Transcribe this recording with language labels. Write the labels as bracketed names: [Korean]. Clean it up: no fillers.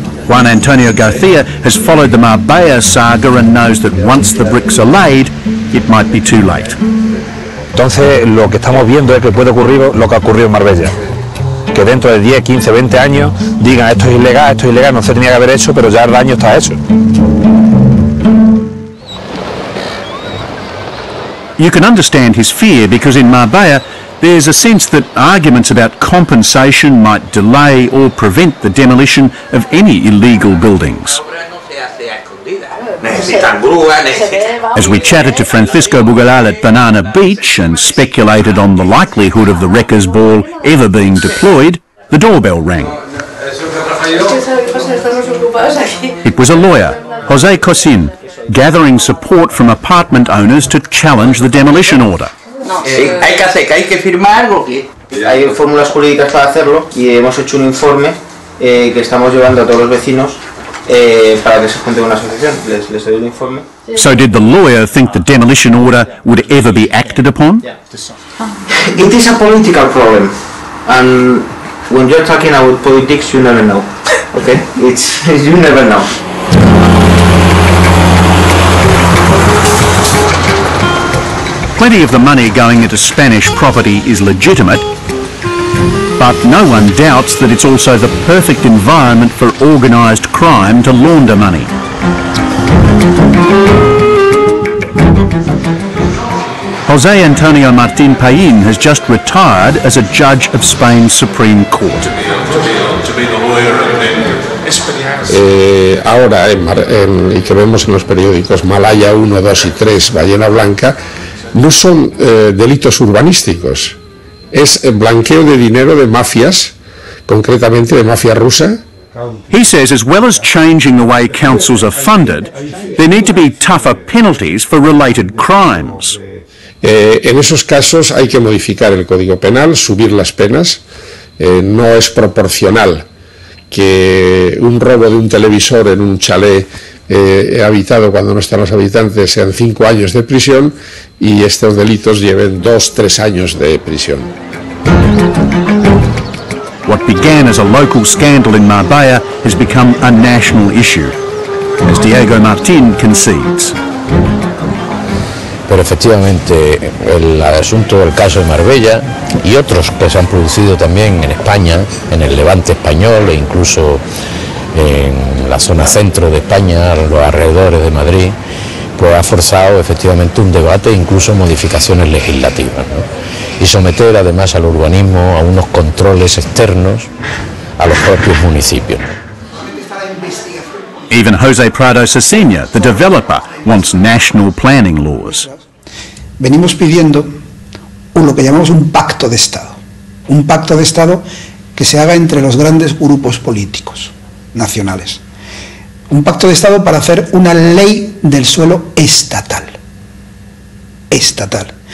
[English] Juan Antonio García has followed the Marbella saga and knows that once the bricks are laid, it might be too late. [Spanish] Entonces, lo que estamos viendo es que puede ocurrir lo que ha ocurrido en Marbella. Que dentro de 10, 15, 20 años digan esto es ilegal, no se tenía que haber hecho, pero ya el daño está hecho. [English] You can understand his fear because in Marbella there's a sense that arguments about compensation might delay or prevent the demolition of any illegal buildings. As we chatted to Francisco Bugalal at Banana Beach and speculated on the likelihood of the wrecker's ball ever being deployed, the doorbell rang. It was a lawyer, José Cosín, gathering support from apartment owners to challenge the demolition order. [Spanish] Hay que hacer, hay que firmar algo. Hay fórmulas jurídicas para hacerlo y hemos hecho un informe que estamos llevando a todos los vecinos para que se junte una asociación. Les doy el informe. [English] So did the lawyer think the demolition order would ever be acted upon? It is a political problem, and when you're talking about politics, you never know. Okay, it's you never know. Plenty of the money going into Spanish property is legitimate, but no one doubts that it's also the perfect environment for organized crime to launder money. José Antonio Martín Payín has just retired as a judge of Spain's Supreme Court. [Spanish] Ahora, y que vemos en los periódicos, Malaya 1, 2 y 3, Ballena Blanca, no son delitos urbanísticos, es blanqueo de dinero de mafias, concretamente de mafia rusa. [English] He says as well as changing the way councils are funded, there need to be tougher penalties for related crimes. [Spanish] En esos casos hay que modificar el código penal, subir las penas. No es proporcional que un robo de un televisor en un chalet habitado cuando no están los habitantes sean 5 años de prisión y estos delitos lleven 2-3 años de prisión. [English] What began as a local scandal in Marbella has become a national issue, as Diego Martín concedes. [Spanish] Pero efectivamente el asunto del caso de Marbella y otros que se han producido también en España, en el Levante español e incluso en la zona centro de España, los alrededores de Madrid, pues ha forzado efectivamente un debate e incluso modificaciones legislativas, ¿no? Y someter además al urbanismo a unos controles externos a los propios municipios. [English] Even José Prado Sesenia, the developer, wants national planning laws. [Spanish] Venimos pidiendo lo que llamamos un pacto de Estado. Un pacto de Estado que se haga entre los grandes grupos políticos nacionales. Un pacto de Estado para hacer una ley del suelo estatal. Estatal.